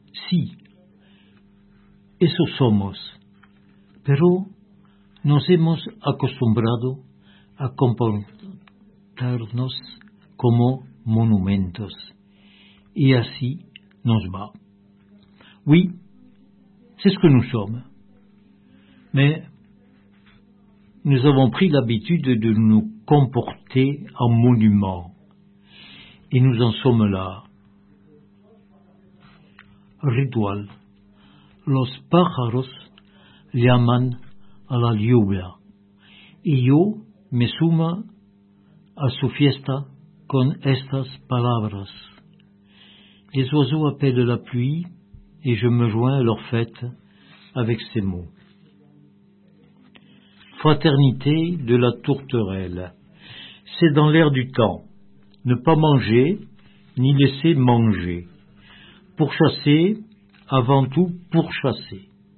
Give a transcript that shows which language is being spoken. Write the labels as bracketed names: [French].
[Spanish] Sí, eso somos, pero nos hemos acostumbrado a comportarnos como monumentos, y así nos va. [French] Oui, c'est ce que nous sommes, mais nous avons pris l'habitude de nous comporter en monuments, et nous en sommes là. [Spanish] Ritual. Los pájaros llaman a la lluvia y yo me sumo a su fiesta con estas palabras. [French] Les oiseaux appellent la pluie et je me joins à leur fête avec ces mots. Fraternité de la tourterelle. C'est dans l'air du temps. Ne pas manger ni laisser manger. Pourchasser avant tout pour chasser.